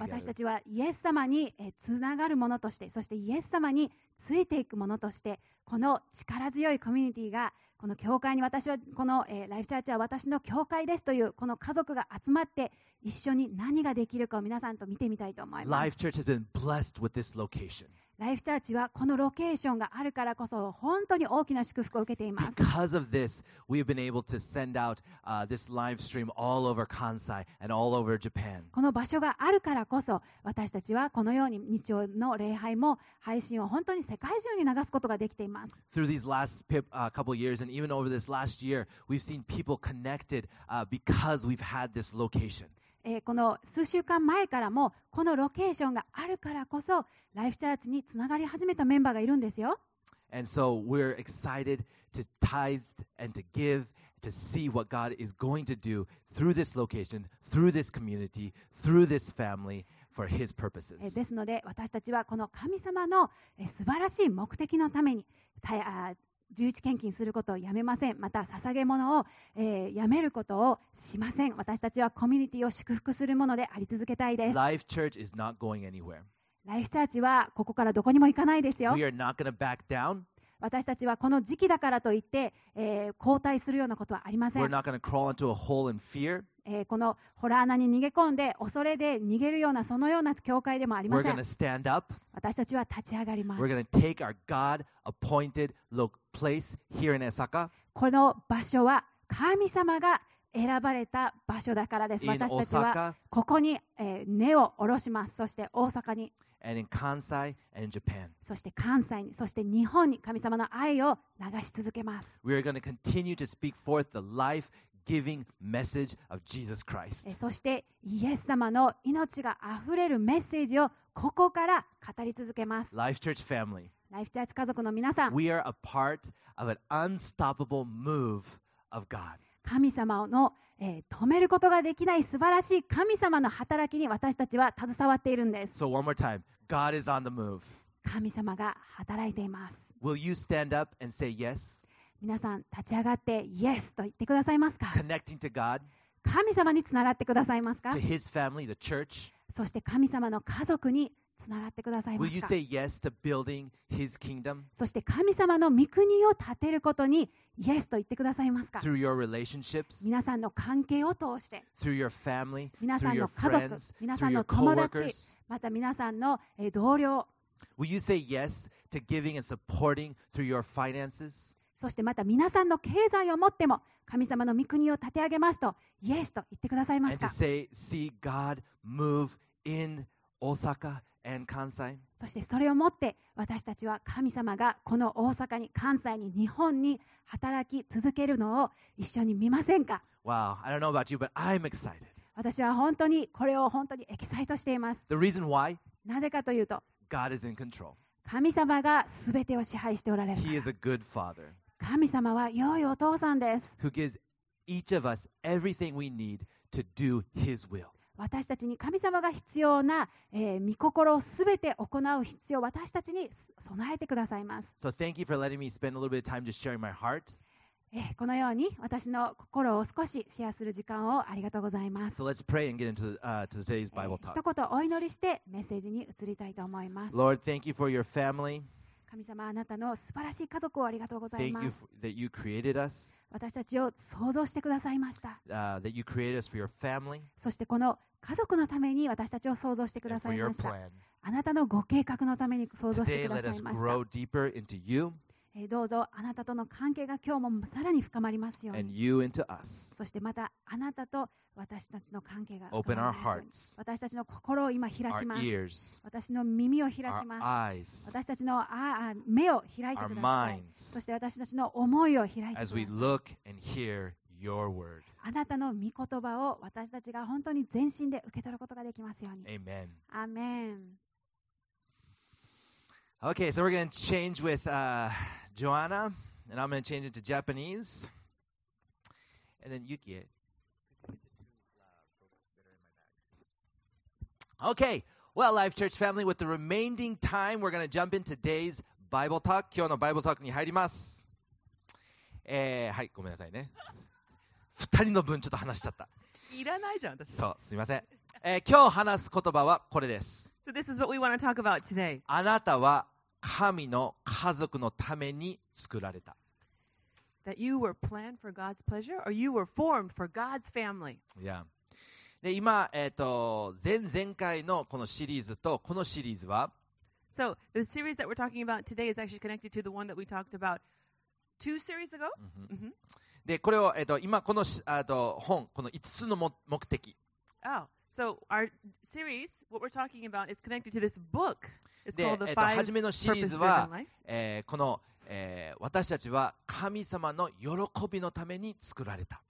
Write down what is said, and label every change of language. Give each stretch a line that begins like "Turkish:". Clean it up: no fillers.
Japanese: 私たちはイエス様につながるものとしてそしてイエス様についていくものとしてこの力強いコミュニティがこの教会に私はこのライフチャーチは私の教会ですというこの家族が集まって一緒に何ができるかを皆さんと見てみたいと思います。
English: ライフチャーチ has been blessed with this location.
Japanese: ライフチャーチはこのロケーションがあるからこそ本当に大きな祝福を受けています。
English: Because of this, we have been able to send out this live stream all over Kansai and all over Japan.
Japanese: この場所があるからこそ私たちはこのように日曜の礼拝も配信を本当に世界中に流すことができています。
English: Through these last couple years and even over this last year, we've seen people connected because we've had this location.
Japanese: この数週間前からもこのロケーションがあるからこそライフチャーチにつながり始めたメンバーがいるんですよ。
English: And so we're excited to tithe and to give to see what God is going to do through this location, through this community, through this family for His purposes.
Japanese: ですので私たちはこの神様の素晴らしい目的のために十一献金することをやめません。また捧げ物を、やめることをしません。私たちはコミュニティを祝福するものであり続けたいです。
English: Life Church is not going anywhere.
Japanese: ライフチャーチはここからどこにも行かないですよ。
English: We are not going to back down.
Japanese: 私たちはこの時期だからといって、後退するようなことはありません。
English: We're not going to crawl into a hole in fear.
Japanese: このホラー穴に逃げ込んで恐れで逃げるようなそのような教会でもありません。
English: We're going to stand up.
Japanese: 私たちは立ち上がります。
English: We're going to take our God-appointed place here in Osaka.
Japanese: この場所は神様が選ばれた場所だからです。
English: In Osaka.
Japanese: 私たちはここに、根を下ろします。そして大阪に。
English: And in Kansai and in Japan.
Japanese: そして関西に、そして日本に神様の愛を流し続けます。
English: We are going to continue to speak forth the life. Giving message of Jesus Christ.
Japanese: そしてイエス様の命があふれるメッセージをここから語り続けます。
English: Life Church family.
Japanese: Life Church 家族の皆さん。
English: We are a part of an unstoppable move of God.
Japanese: 神様の、止めることができない素晴らしい神様の働きに私たちは携わっているんです。
English: So one more time, God is on the move.
Japanese: 神様が働いています。
English: Will you stand up and say yes?
Japanese: 皆さん立ち上がってイエスと言ってくださいますか。
English: Connecting to God.
Japanese: 神様につながってくださいますか。
English: To His family, the church.
Japanese: そして神様の家族につながってくださいますか。
English: Will you say yes to building His kingdom?
Japanese: そして神様の御国を建てることにイエスと言ってくださいますか。
English: Through your relationships.
Japanese: 皆さんの関係を通して。
English: Through your family.
Japanese: 皆さんの家族。
English: Through your friends.
Japanese: 皆さんの友達。
English: Through your coworkers.
Japanese: また皆さんの同僚。
English: Will you say yes to giving and supporting through your finances?
Japanese: そしてまた皆さんの経済を持っても神様の御国を立て上げますとイエスと言ってくださいますか。
English: And to say, see God move in Osaka and Kansai.
Japanese: そしてそれを持って私たちは神様がこの大阪に関西に日本に働き続けるのを一緒に見ませんか。
English: Wow, I don't know about you, but I'm excited.
Japanese: 私は本当にこれを本当にエキサイトしています。
English: The reason why?
Japanese: なぜかというと
English: God is in control.
Japanese: 神様がすべてを支配しておられる。
English: He is a good father.
Japanese: 神様は良いお父さんです。
English: Who gives each of us everything we need to do His will.
Japanese: 私たちに神様が必要な、御心をすべて行う必要を私たちに備えてくださいます。
English: So thank you for letting me spend a little bit of time just sharing my heart.
Japanese: このように私の心を少しシェアする時間をありがとうございます。
English: So let's pray and get into today's Bible talk.
Japanese: 一言お祈りしてメッセージに移りたいと思います。
English: Lord, thank you for your family.
Japanese: 神様、あなたの素晴らしい家族をありがとうございます。
English: Thank you that you created us.
Japanese: 私たちを創造してくださいました。
English: That you created us for your family.
Japanese: そしてこの家族のために私たちを創造してくださいました。
English: And for your plan.
Japanese: あなたのご計画のために創造してくださいました。
English: Today, let us grow deeper into you.
Japanese: どうぞあなたとの関係が今日もさらに深まりますように。
English: And you into us.
Japanese: そしてまたあなたと私たちの関係が深まりますように。私たちの心を今開きます。
English: Our ears.
Japanese: 私の耳を開きます。
English: Our eyes.
Japanese: 私たちの目を開いてください。
English: Our minds.
Japanese: そして私たちの思いを開いてください。
English: As we look and hear your word.
Japanese: あなたの御言葉を私たちが本当に全身で受け取ることができますように。
English: Amen. Amen. Okay, so we're going to change with Joanna, and I'm going to change it to Japanese. And then Yukie. Okay, well, Life Church family, with the remaining time, we're going to jump in today's Bible talk.
Japanese: 今日の Bible talk に入ります。はい、ごめんなさいね。二人の分ちょっと話しちゃった。いらないじゃん、私。そう、すみません。今日話す言葉はこれです。
English: So this is what we want to talk about today.
Japanese: あなたは神の家族のために作られた。
English: That you were planned for God's pleasure, or you were formed for God's family. Yeah.
Japanese: で、今、前々回のこのシリーズとこのシリーズは、
English: So the series that we're talking about today is actually connected to the one that we talked about two series ago.
Japanese: で、これを今この本この5つの目的。
English: Oh, so our series, what we're talking about, is connected to this book.
Japanese: 初めのシリーズは、この、私たちは神様の喜びのために作られた。